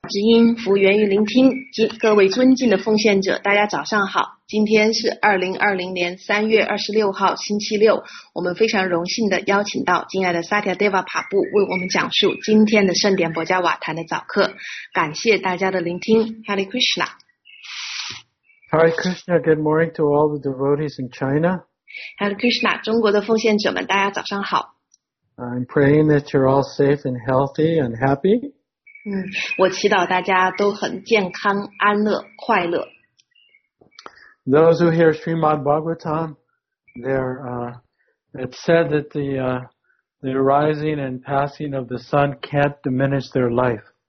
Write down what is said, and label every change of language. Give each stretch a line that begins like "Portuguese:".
Chinese: 直音服务源于聆听，各位尊敬的奉献者，大家早上好。今天是2020年3月26号，星期六。我们非常荣幸的邀请到敬爱的萨提亚·德瓦·帕布为我们讲述今天的圣典博加瓦坛的早课。感谢大家的聆听 ，Hare Krishna。
English: Hare Krishna, good morning to all the devotees in China.
Chinese: Hare Krishna, 中国的奉献者们，大家早上好。
English: I'm praying that you're all safe and healthy and happy.
Chinese: 我祈祷大家都很健康、安乐、快乐。
English: Those who hear Srimad Bhagavatam, it's said that the arising and passing of the sun can't diminish their life.